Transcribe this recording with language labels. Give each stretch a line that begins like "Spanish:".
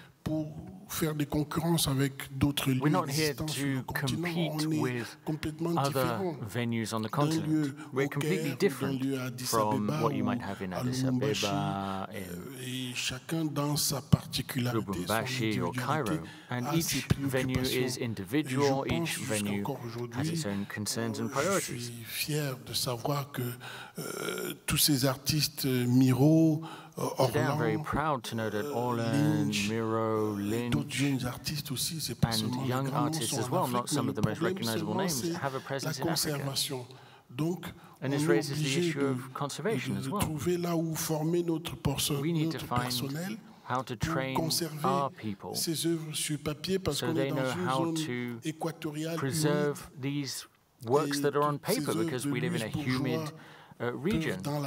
English: We're not here to compete with other venues on the continent. We're completely different from what you might have in Addis Abeba, in Lubumbashi or Cairo. And each venue is individual, each venue has its own concerns and priorities.
French: Je suis fier de savoir que tous ces artistes Miro,
English: today I'm very proud to know that Orland, Miro, Lynch, and young artists as well, not some of the most recognizable names, have a presence in Africa. And this raises the issue of conservation as well. We need to find how to train our people so they know how to preserve these works that are on paper, because we live in a humid region.